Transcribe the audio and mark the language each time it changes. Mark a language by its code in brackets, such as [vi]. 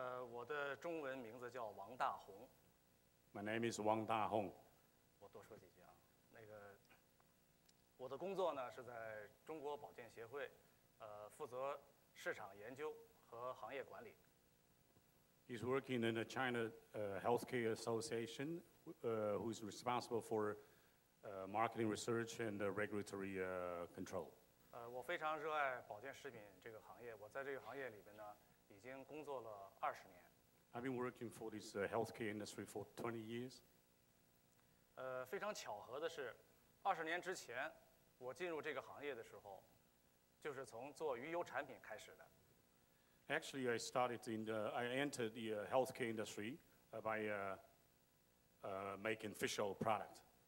[zh] 我的中文名字叫王大宏。 [en] My name is Wang Dahong. [zh] 我多说几句啊，那个我的工作呢是在中国保健协会。负责市场研究和行业管理。 [en] He's working in the China Healthcare Association, who is responsible for marketing research and regulatory control. [zh] 我非常热爱保健食品这个行业，我在这个行业里边呢，已经工作了20年。 [en] I've been working for this healthcare industry for 20 years. [zh] 非常巧合的是，20年之前我进入这个行业的时候。就是从做鱼油产品开始的。 [en] Actually, I started in the, I entered the healthcare industry by making fish oil product.